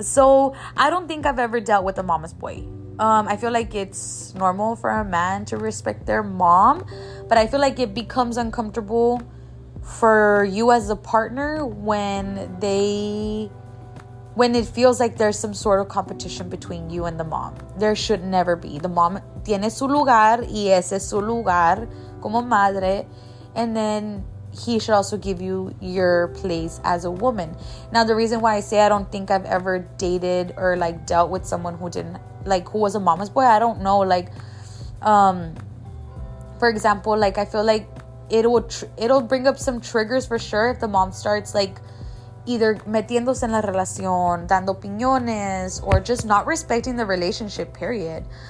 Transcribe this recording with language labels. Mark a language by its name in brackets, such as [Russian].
[English] So I don't think I've ever dealt with a mama's boy. I feel like it's normal for a man to respect their mom, but I feel like it becomes uncomfortable for you as a partner when it feels like there's some sort of competition between you and the mom. There should never be. The mom [Spanish] tiene su lugar y ese es su lugar como madre. [English] And then he should also give you your place as a woman. Now, the reason why I say I don't think I've ever dated or like dealt with someone who didn't, like, who was a mama's boy, I don't know. Like, for example, like, I feel like it'll bring up some triggers for sure if the mom starts like either [Spanish] metiéndose en la relación, dando opiniones, [English] or just not respecting the relationship, period.